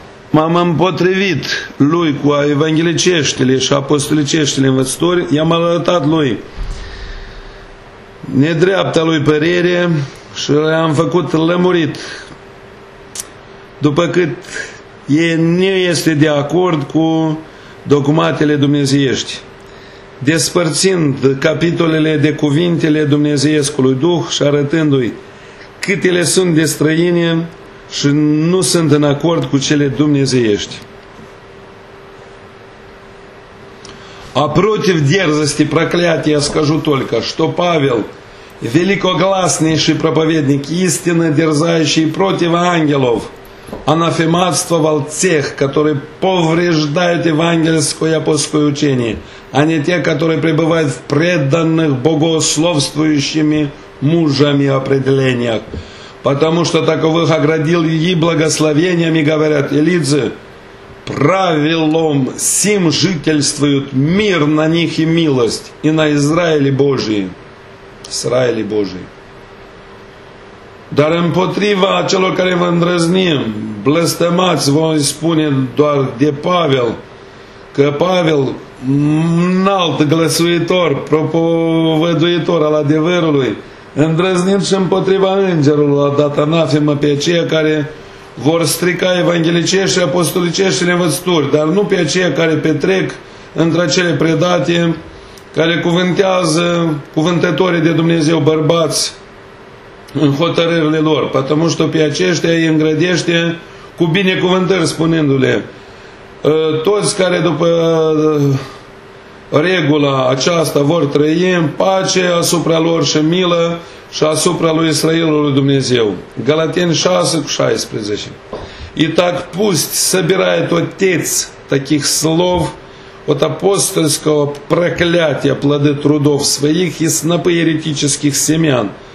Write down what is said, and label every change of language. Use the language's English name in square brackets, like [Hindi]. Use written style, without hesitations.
[Romanian] m-am împotrivit lui cu evangheliceștile și apostoliceștile învățători, i-am arătat lui nedreapta lui părere și le-am făcut lămurit, după cât ei nu este de acord cu dogmatele dumnezeiești. Despărțind capitolele de cuvintele Dumnezeiescului Duh și arătându-i câtele sunt de străine și nu sunt în acord cu cele dumnezeiești. A protiv dierzăsti prăcleate, [Russian] я скажу только, що Павел, великогласнейший проповедник истины, дерзающий против ангелов, анафематствовал тех, которые повреждают евангельское и апостольское учение, а не те, которые пребывают в преданных богословствующими мужами определениях. Потому что таковых оградил и благословениями, говорят элидзы, правилом сим жительствуют мир на них и милость, и на Израиле Божии. Израиле Божии. [Romanian] Dar împotriva celor care vă îndrăznim, blestemați, voi spune doar de Pavel, că Pavel, înalt glăsuitor, propovăduitor al adevărului, îndrăznit și împotriva îngerului, a dat anafemă pe aceia care vor strica evanghelicești și apostolicești și învățături, dar nu pe aceia care petrec între cele predate, care cuvântează cuvântătorii de Dumnezeu bărbați, în hotărârile lor, pentru că pe aceștia îi îngrădește cu binecuvântări, spunându-le, toți care după regula aceasta vor trăi în pace asupra lor și milă și asupra lui Israelului Dumnezeu. Galateni 6:16. [Russian] И так пусть собирает отец таких слов от апостольского проклятия плоды трудов своих и снопы еретических семян,